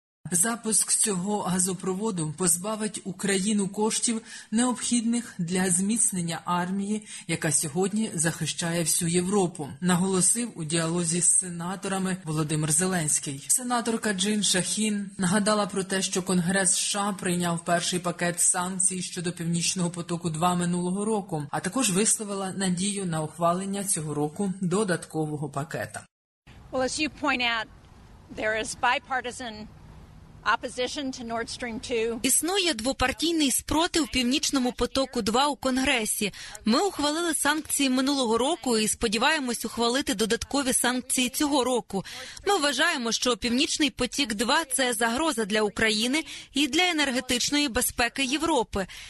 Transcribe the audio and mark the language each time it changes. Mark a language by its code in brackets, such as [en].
[uk] Запуск цього газопроводу позбавить Україну коштів, необхідних для зміцнення армії, яка сьогодні захищає всю Європу, наголосив у діалозі з сенаторами Володимир Зеленський. Сенаторка Джин Шахін нагадала про те, що Конгрес США прийняв перший пакет санкцій щодо Північного потоку 2 минулого року, а також висловила надію на ухвалення цього року додаткового пакета. [en] Well, as you point out, there is bipartisan opposition to Nord Stream 2. [uk] Існує двопартійний спротив Північному потоку 2 у Конгресі. Ми ухвалили санкції минулого року і сподіваємось ухвалити додаткові санкції цього року. Ми вважаємо, що Північний потік 2 – це загроза для України і для енергетичної безпеки Європи.